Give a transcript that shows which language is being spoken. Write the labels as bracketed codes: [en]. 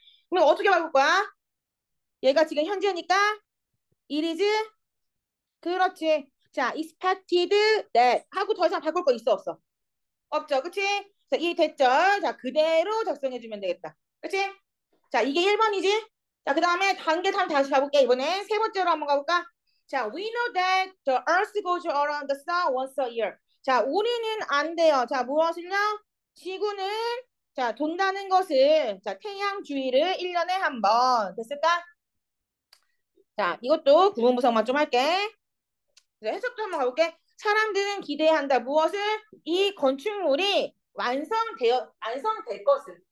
[ko] 그럼 어떻게 바꿀 거야? 얘가 지금 현재니까 [en] it is. [ko] 그렇지. 자, [en] expected that [ko] 하고 더 이상 바꿀 거 있어 없어? 없죠, 그치? 자, 이해 됐죠? 자, 그대로 작성해 주면 되겠다, 그치? 자, 이게 1번이지? 자, 그 다음에 단계 다음 다시 가볼게. 이번에 세 번째로 한번 가볼까? [en] 자, we know that the earth goes around the sun once a year. [ko] 자, 우리는 안대요. 자, 무엇을요? 지구는 자, 돈다는 것을 자, 태양 주위를 1년에 한번 됐을까? 자, 이것도 구분 분석만 좀 할게. 해석도 한번 가볼게. 사람들은 기대한다. 무엇을? 이 건축물이 완성될 것을.